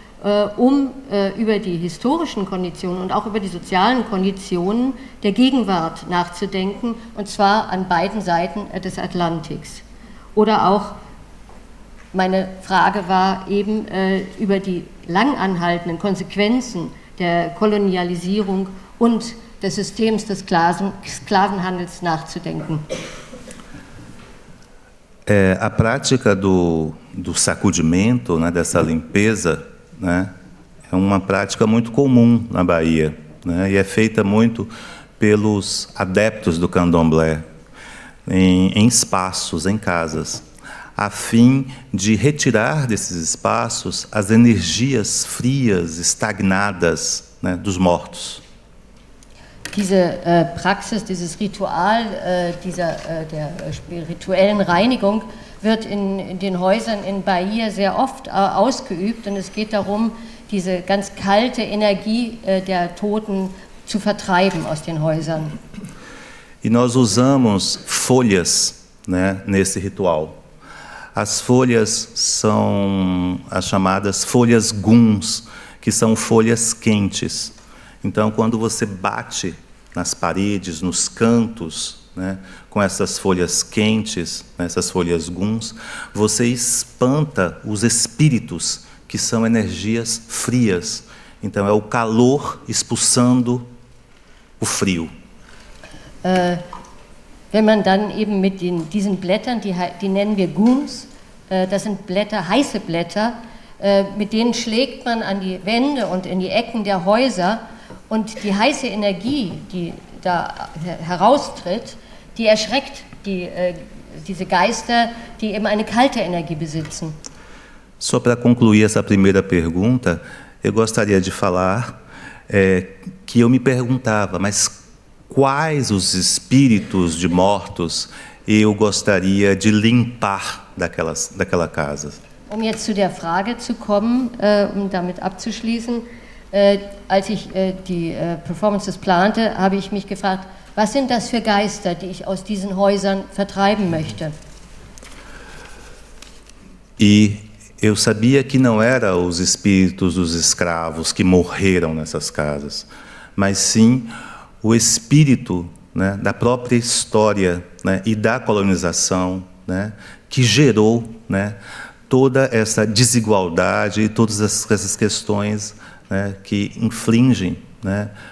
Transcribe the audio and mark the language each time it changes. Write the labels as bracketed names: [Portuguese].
[German] über die historischen Konditionen und auch über die sozialen Konditionen der Gegenwart nachzudenken, und zwar an beiden Seiten des Atlantiks. Oder auch, meine Frage war eben über die langanhaltenden Konsequenzen der Kolonialisierung und des Systems des Sklavenhandels nachzudenken. [Portuguese] A prática do sacudimento, né, dessa limpeza, né, é uma prática muito comum na Bahia, né, e é feita muito pelos adeptos do candomblé, em espaços, em casas, a fim de retirar desses espaços as energias frias, estagnadas, né, dos mortos. [German] Diese Praxis, dieses Ritual der spirituellen Reinigung wird in den Häusern in Bahia sehr oft ausgeübt, und es geht darum, diese ganz kalte Energie der Toten zu vertreiben aus den Häusern. [Portuguese] E nós usamos folhas, né, nesse ritual. As folhas são as chamadas folhas guns, que são folhas quentes. Então, quando você bate nas paredes, nos cantos, né, com essas folhas quentes, né, essas folhas guns, você espanta os espíritos, que são energias frias. Então é o calor expulsando o frio. [German] Wenn man dann eben mit diesen Blättern, die nennen wir Guns, das sind Blätter, heiße Blätter, mit denen schlägt man an die Wände und in die Ecken der Häuser. Und die heiße Energie, die da heraustritt, die erschreckt diese Geister, die eben eine kalte Energie besitzen. [Portuguese] Só para concluir essa primeira pergunta, eu gostaria de falar que eu me perguntava, mas quais os espíritos de mortos eu gostaria de limpar daquela casa? [German] Um jetzt zu der Frage zu kommen, damit abzuschließen, als ich die Performances plante, habe ich mich gefragt, was sind das für Geister, die ich aus diesen Häusern vertreiben möchte? [Portuguese] E eu sabia que não era os espíritos dos escravos que morreram nessas casas, mas sim o espírito, né, da própria história, né, e da colonização, né, que gerou, né, toda essa desigualdade e todas essas questões, né, que infligem, né,